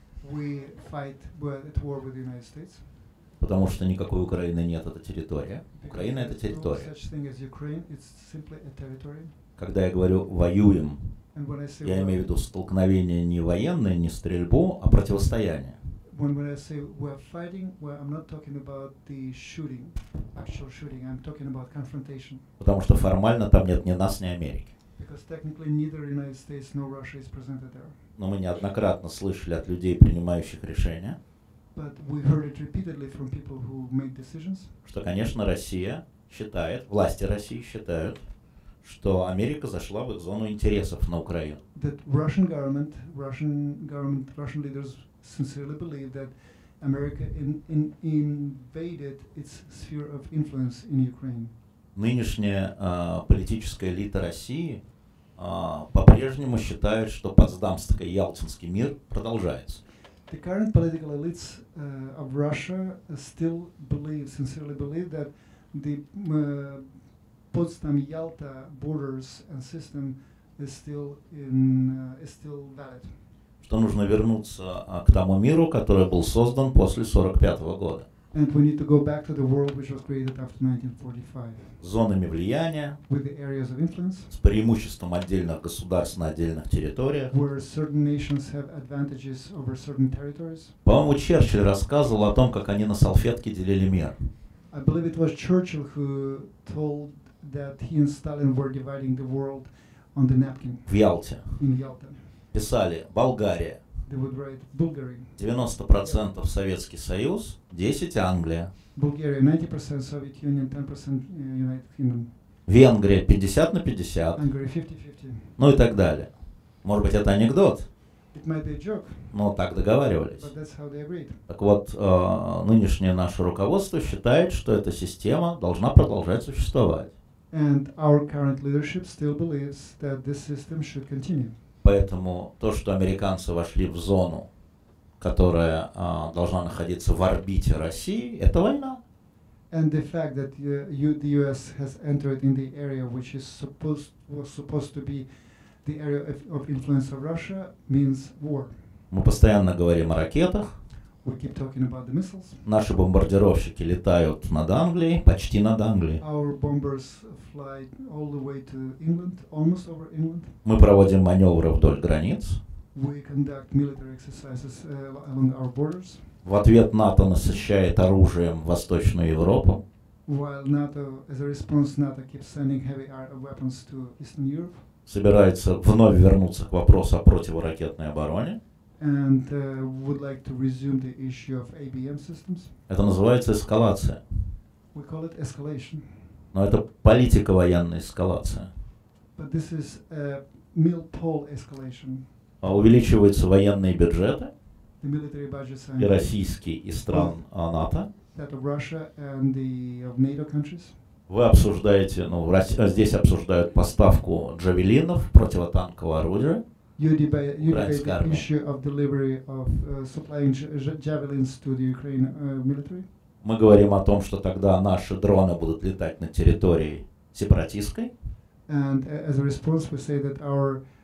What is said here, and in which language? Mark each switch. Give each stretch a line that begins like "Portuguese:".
English: We fight at war with the United States.
Russian: Потому что никакой Украины нет, это территория. Украина — это территория.
English: Because there's no such thing as Ukraine, it's simply a territory.
Russian: Когда я говорю «воюем»,
English: And when I say
Russian: я имею в виду столкновение не военное, не стрельбу, а противостояние.
English: When I say we're fighting, well, I'm not talking about the shooting, actual shooting, I'm talking about confrontation.
Russian: Потому что формально там нет ни нас, ни Америки.
English: Because technically neither United States nor Russia is presented there.
Russian: Но мы неоднократно слышали от людей, принимающих решения,
English: But we heard it repeatedly from people who make decisions.
Russian: Что, конечно, Россия считает, власти России считают, что Америка зашла в их зону интересов на Украину.
English: That Russian government, Russian leaders sincerely believe that America invaded its sphere of influence in Ukraine.
Russian: Нынешняя политическая элита России по-прежнему считает, что Потсдамский и Ялтинский мир продолжается.
English: The current political elites of Russia still believe, sincerely believe, that the Potsdam-Yalta borders and system is still valid.
Russian: Что нужно вернуться к тому миру, который был создан после 45 года.
English: And we need to go back to the world which was created after 1945.
Russian: Зонами влияния.
English: With the areas of influence.
Russian: С преимуществом отдельных государств на отдельных территориях.
English: Where certain nations have advantages over certain territories.
Russian: По-моему, Черчилль рассказывал о том, как они на салфетке делили мир.
English: I believe it was Churchill who told that he and Stalin were dividing the world on the napkin.
Russian: В Ялте.
English: In Yalta.
Russian: Писали Болгария.
English: They would write Bulgari.
Russian: 90% Советский Союз, 10% Англия.
English: Bulgaria 90% Soviet Union, 10% United Kingdom.
Russian: Венгрия 50-50.
English: Hungary 50-50.
Russian: Ну и так далее. Может быть, это анекдот?
English: It might be a joke.
Russian: Но так договаривались.
English: But that's how they agreed.
Russian: Так вот, нынешнее наше руководство считает, что эта система должна продолжать существовать.
English: And our current leadership still believes that this system should continue.
Russian: Поэтому то, что американцы вошли в зону, которая должна находиться в орбите России, это война.
English: And the fact that the US has entered in the area which is was supposed to be the area of influence of Russia means war.
Russian: Мы постоянно говорим о ракетах.
English: We keep talking about the missiles.
Russian: Наши бомбардировщики летают над Англией, почти над Англией.
English: Our bombers fly all the way to England, almost over England.
Russian: Мы проводим маневры вдоль границ.
English: We conduct military exercises along our borders.
Russian: В ответ НАТО насыщает оружием Восточную Европу.
English: while NATO, as a response, NATO keeps sending heavy weapons to Eastern Europe.
Russian: Собирается вновь вернуться к вопросу о противоракетной обороне.
English: And would like to resume the issue of ABM systems.
Russian: Это называется эскалация.
English: We call it escalation.
Russian: Но это политика военной эскалации.
English: But this is a mil-pol escalation.
Russian: А увеличиваются военные бюджеты.
English: The military budgets and
Russian: и российские, и стран НАТО.
English: That of Russia and the of NATO countries.
Russian: Вы обсуждаете, ну, в России, здесь обсуждают поставку джавелинов, противотанкового орудия.
English: You debate the issue of delivery of supplying javelins to the Ukraine military.
Russian: Мы говорим о том, что тогда наши дроны будут летать на территории сепаратистской.
English: And as a response, we say that our